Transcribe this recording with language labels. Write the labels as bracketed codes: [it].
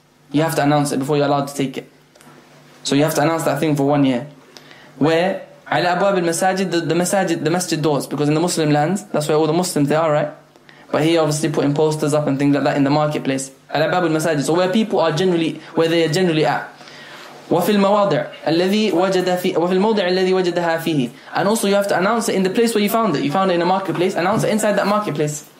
[en] You have to announce it before you're allowed to take it. So you have to announce that thing for 1 year. Where? [ar] على أبواب المساجد, [en] the masjid doors. Because in the Muslim lands, that's where all the Muslims, they are, right? But he obviously putting posters up and things like that in the marketplace. [ar] Ala bab al masajid, [en] so where people are generally, where they are generally at. [ar] Wa fil mawadi' alladhi wajadaha fihi. [en] And also you have to announce it in the place where you found it. You found it in a marketplace, announce it inside that marketplace.